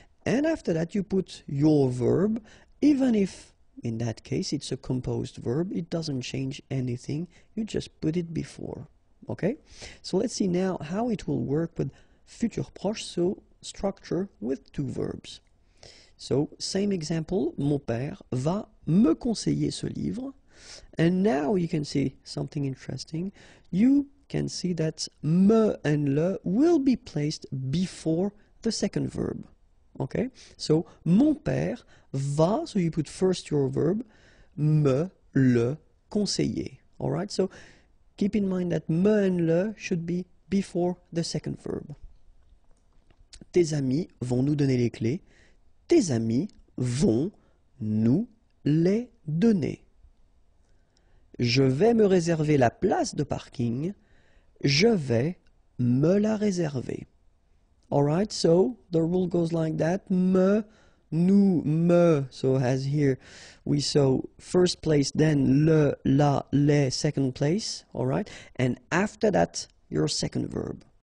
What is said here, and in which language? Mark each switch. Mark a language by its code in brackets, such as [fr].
[en] And after that, you put your verb, even if in that case it's a composed verb, it doesn't change anything. You just put it before. Okay? So let's see now how it will work with futur proche, so structure with two verbs. So, same example, [fr] mon père va me conseiller ce livre. [en] And now you can see something interesting. You can see that me and le will be placed before the second verb. Okay, so [fr] mon père va, [en] so you put first your verb, [fr] me le conseiller. [en] All right, so keep in mind that me and le should be before the second verb. [fr] Tes amis vont nous donner les clés. Tes amis vont nous les donner. Je vais me réserver la place de parking. Je vais me la réserver. [en] All right, so the rule goes like that. Me, nous, me. So as here, we saw first place, then le, la, les, second place. All right, and after that, your second verb.